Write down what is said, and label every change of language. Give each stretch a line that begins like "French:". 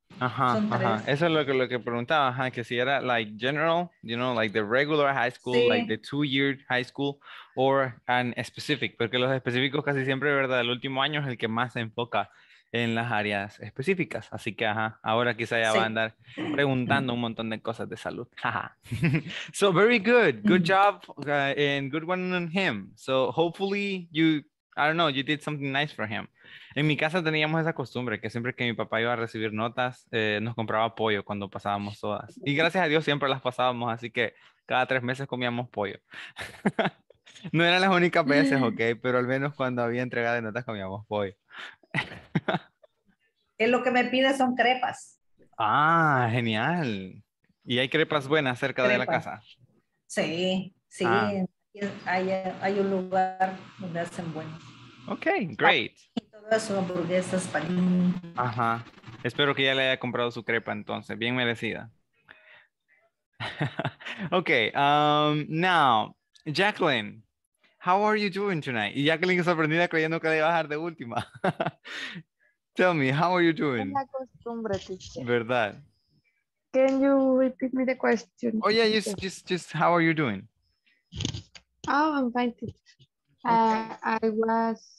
Spanish: Ajá, eso es lo que preguntaba, ajá, que si era
English: like general, you know, like the regular high school,
Spanish: sí.
English: Like the 2-year high school, or an specific,
Spanish: porque los específicos casi siempre, ¿verdad? El último año es el que más se enfoca en las áreas específicas, así que ajá, ahora quizá ya sí. Va a andar preguntando un montón de cosas de salud, jaja.
English: So very good job, and good one on him. So hopefully you did something nice for him.
Spanish: En mi casa teníamos esa costumbre que siempre que mi papá iba a recibir notas, nos compraba pollo cuando pasábamos todas, y gracias a Dios siempre las pasábamos, así que cada 3 meses comíamos pollo. No eran las únicas veces, ok, pero al menos cuando había entrega de notas comíamos pollo. Es lo que me pide son crepas. Ah, genial. ¿Y hay crepas buenas cerca crepas de la casa? Sí, sí. Ah. Hay un lugar donde hacen buenas.
English: Okay, great.
Spanish: Y todas son hamburguesas, panín. Ajá. Espero que ya le haya comprado su crepa entonces, bien merecida.
English: Okay, now, Jacqueline, how are you doing tonight?
Spanish: Y Jacqueline sorprendida creyendo que le iba a dejar de última.
English: Tell me, how are you doing?
Spanish: Es la costumbre, teacher. ¿Verdad?
English: Can you repeat me the question? Oh yeah, just how are you doing? Oh, I'm fine, teacher. Okay.